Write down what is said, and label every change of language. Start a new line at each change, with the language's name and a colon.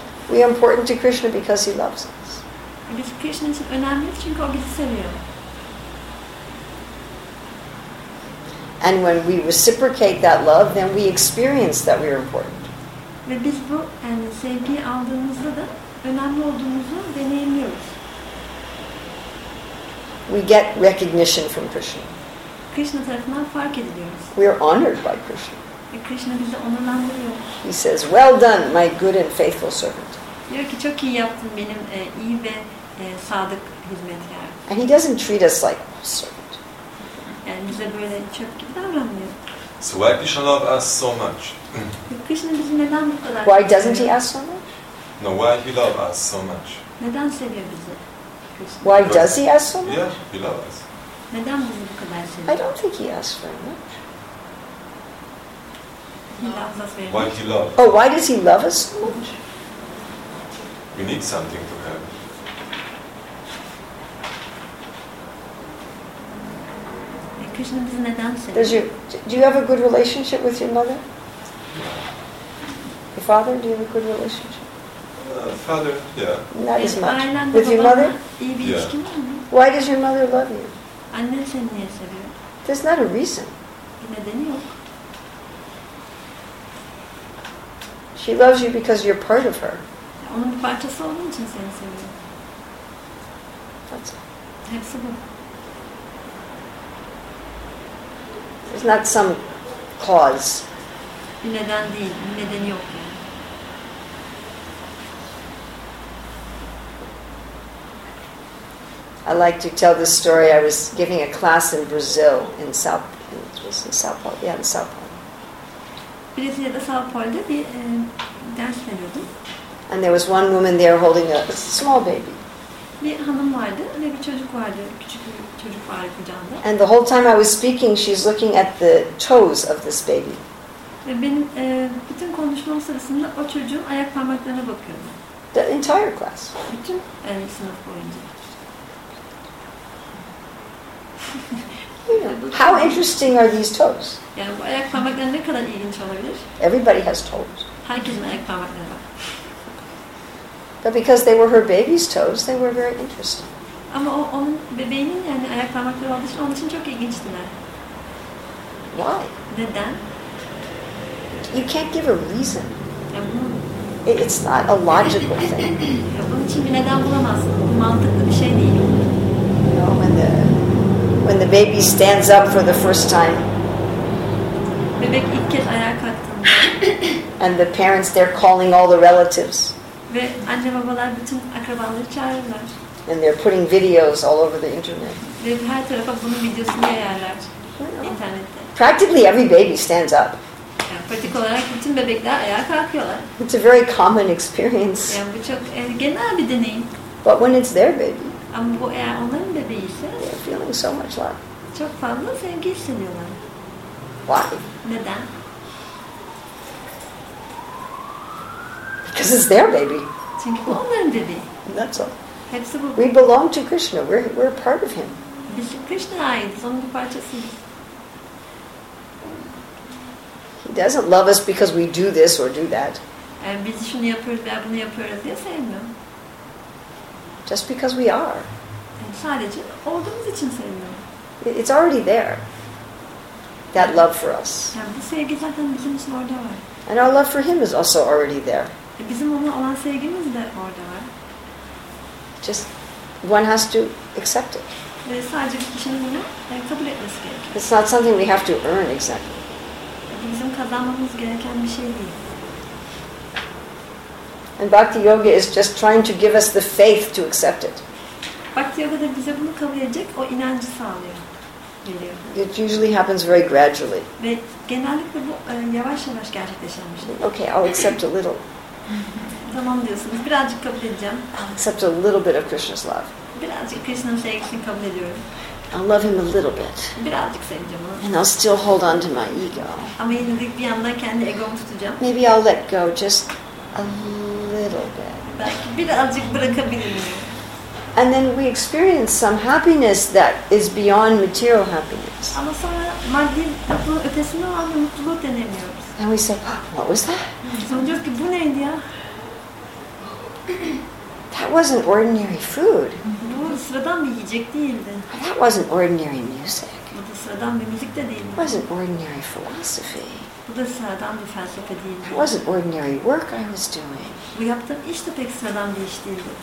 English: We are important to Krishna because he loves us.
Turkish: Biz Krishna için önemliyiz çünkü o bizi seviyor.
English: And when we reciprocate that love, then we experience that we are important.
Turkish: Ve biz bu sevgiyi aldığımızda da önemli olduğumuzu deneyimliyoruz.
English: We get recognition from Krishna.
Turkish: Krishna tarafından fark ediliyoruz.
English: We are honored by Krishna.
Turkish: Krishna bizi onurlandırıyor.
English: He says, "Well done, my good and faithful servant."
Turkish: Diyor ki, çok iyi yaptın benim iyi ve sadık hizmetkarım.
English: And he doesn't treat us like servant.
Turkish: Yani bize böyle çöp gibi davranmıyor.
English: So why Krishna love us so much?
Turkish: Krishna bizi neden bu kadar?
English: Why doesn't he ask so much? No, why he love us so much?
Turkish: Neden seviyor bizi?
English: Why does he ask so much? Yeah, he love us.
Turkish: Neden bizi bu kadar seviyor?
English: I don't think he asks very much. Why he love? Oh, why does he love us so much? We need something to have.
Turkish: Krishna bizi neden seviyor?
English: Do you have a good relationship with your mother? Yeah. Your father, do you have a good relationship? Father, yeah. Not as much. With your mother?
Turkish: İyi bir
English: yeah.
Turkish: İlişkin var mı?
English: Why does your mother love you?
Turkish: Annen seni niye seviyor?
English: There's not a reason.
Turkish: Bir nedeni yok.
English: She loves you because you're part of her.
Turkish: Onun bir parçası olduğun için seni seviyor.
English: That's all.
Turkish: Hepsi bu.
English: There's not some cause.
Turkish: Bir neden değil, bir nedeni yok yani.
English: Yeah. I like to tell this story. I was giving a class in Brazil, in Sao Paulo. Yeah, in Sao Paulo.
Turkish: Brezilya'da, Sao Paulo'da bir ders veriyordum.
English: And there was one woman there holding a small baby.
Turkish: Bir hanım vardı ve bir çocuk vardı, küçük bir çocuk vardı kucağında.
English: And the whole time I was speaking, she's looking at the toes of this baby.
Turkish: Ve benim bütün konuşmam sırasında o çocuğun ayak parmaklarına bakıyordu.
English: The entire class.
Turkish: Bütün sınıf boyunca.
English: Yeah. How interesting are these toes?
Turkish: Yani bu ayak parmakları ne kadar ilginç olabilir?
English: Everybody has toes.
Turkish: Herkesin ayak parmakları var.
English: But because they were her baby's toes, they were very interesting.
Turkish: Ama onun bebeğinin yani ayak parmakları olduğu için onun için çok ilginçtiler.
English: Why?
Turkish: Neden?
English: You can't give a reason.
Turkish: Yani
English: it's not a logical thing.
Turkish: Bunun için bir neden bulamazsın. Mantıklı bir şey değil.
English: You know, when the baby stands up for the first time.
Turkish: Bebek ilk kez ayağa kalktığında.
English: And the parents, they're calling all the relatives.
Turkish: Ve anne babalar bütün akrabaları çağırırlar.
English: And they're putting videos all over the internet.
Turkish: Ve her tarafa bunun videosunu yayarlar internette.
English: Practically every baby stands up.
Turkish: Yani pratik olarak bütün bebekler ayağa kalkıyorlar.
English: It's a very common experience.
Turkish: Yani bu çok genel bir deneyim.
English: But when it's their baby.
Turkish: Ama bu eğer onların bebeğiyse.
English: They're feeling so much love.
Turkish: Çok fazla sevgi hissediyorlar.
English: Why?
Turkish: Neden?
English: Because it's their baby.
Turkish: Çünkü onların bebeği.
English: That's all.
Turkish: Hepsi bu.
English: We belong to Krishna. We're part of him.
Turkish: Biz Krishna'ya aitiz. Onun bir parçasıyız.
English: He doesn't love us because we do this or do that.
Turkish: Yani biz şunu yapıyoruz veya bunu yapıyoruz diye sevmiyor.
English: Just because we are.
Turkish: Yani sadece olduğumuz için sevmiyor.
English: It's already there. That love for us.
Turkish: Yani bu sevgi zaten bizim için orada var.
English: And our love for him is also already there.
Turkish: Bizim ona olan sevgimiz de orada var.
English: Just one has to accept it.
Turkish: Sadece bir kişinin bunu kabul etmesi gerekiyor.
English: It's not something we have to earn exactly.
Turkish: Bizim kazanmamız gereken bir şey değil.
English: And Bhakti Yoga is just trying to give us the faith to accept it.
Turkish: Bhakti Yoga da bize bunu kabul edecek o inancı sağlıyor.
English: It usually happens very gradually.
Turkish: Ve genellikle bu yavaş yavaş gerçekleşen bir şey.
English: Okay, I'll accept a little.
Turkish: Tamam diyorsunuz, birazcık kabul edeceğim.
English: I'll accept a little bit of Krishna's love.
Turkish: Birazcık Krishna'nın sevgisini kabul ediyorum.
English: I'll love him a little bit.
Turkish: Birazcık seveceğim onu.
English: And I'll still hold on to my ego.
Turkish: Ama yine de bir yandan kendi egomu tutacağım.
English: Maybe I'll let go just a little bit.
Turkish: Belki birazcık bırakabilirim.
English: And then we experience some happiness that is beyond material happiness.
Turkish: Ama sonra maddi mutluluğun ötesinde olan bir mutluluk denemiyoruz.
English: And we say, what was that?
Turkish: Sonra diyoruz ki, bu neydi ya?
English: That wasn't ordinary food.
Turkish: Bu sıradan bir yiyecek değildi.
English: That wasn't ordinary music.
Turkish: Bu da sıradan bir müzik de değildi.
English: It wasn't ordinary philosophy.
Turkish: Bu da sıradan bir felsefe değildi.
English: It wasn't ordinary work I was doing.
Turkish: Bu yaptığım iş de pek sıradan bir iş değildi.